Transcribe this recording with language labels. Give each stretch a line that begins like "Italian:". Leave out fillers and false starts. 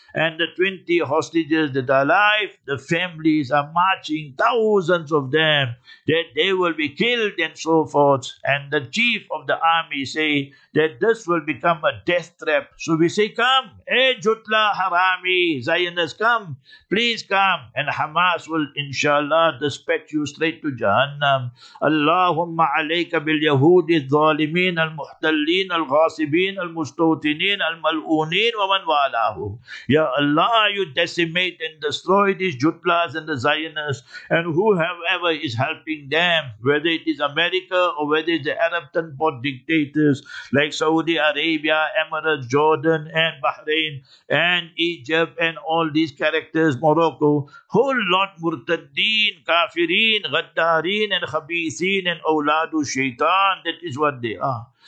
English: And the 20 hostages that are alive, the families are marching, thousands of them, that they will be killed and so forth. And the chief of the army say that this will become a death trap. So we say, come, eh, Jutla, harami, Zionists, come, please come. And Hamas will, inshallah, dispatch you straight to Jahannam.
Arabic: Allahumma عليك باليهود الظالمين المحتلين الغاصبين المستوطنين الملعونين ومن والاهم.
English: Ya Allah, you decimate and destroy these Jutlas and the Zionists and whoever is helping them, whether it is America or whether it is the Arab tenpot dictators like Saudi Arabia, Emirates, Jordan and Bahrain and Egypt and all these characters, Morocco, whole lot murtadeen, kafirin, ghaddarin and khabithin and awlad to shaitan, that is what they are.